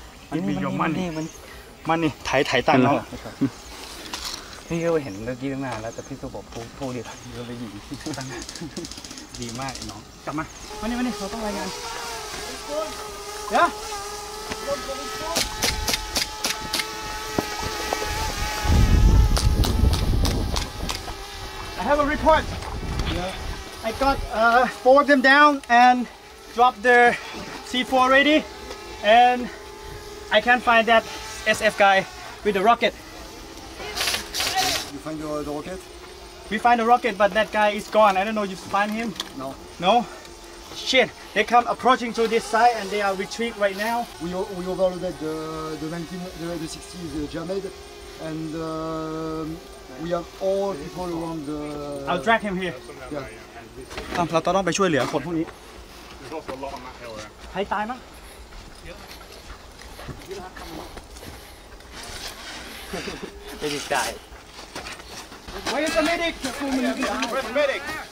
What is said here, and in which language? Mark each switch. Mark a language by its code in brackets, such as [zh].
[th] มันนี่ไถตังค์เนาะพี่ก็ไปเห็นเมื่อกี้ข้างหน้าแล้วแต่พี่ก็บอกพูดดีครับก็ไปหยิบตังค์ดีมากน้อง กลับมามานี่เราต้องรายงานเดี๋ยว [en] I have a report. Yeah. I got four of them down and dropped their C4 already. And I can't find that SF guy with the rocket. You find the rocket? We find the rocket, but that guy is gone. I don't know if you find him. No. No? Shit. They come approaching to this side and they are retreat right now. We overloaded the 19, the 60 is jammed and we have all people around the... I'll drag him here. Yeah. [th] เราต้องไปช่วยเหลือคนพวกนี้ ใครตายมั้ง เดี๋ยวจะตาย [en] Where's the medic? Where's the medic?